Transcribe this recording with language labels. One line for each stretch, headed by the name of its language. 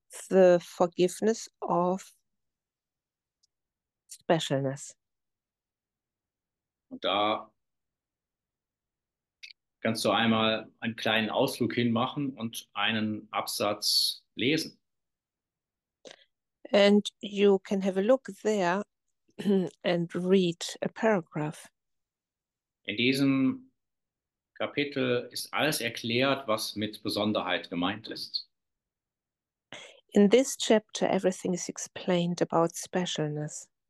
English: The forgiveness of specialness.
German: Und da kannst du einmal einen kleinen Ausflug hinmachen und einen Absatz lesen.
English: And you can have a look there and read a paragraph.
German: In diesem Kapitel ist alles erklärt, was mit Besonderheit gemeint ist.
English: In this chapter, everything is explained about specialness.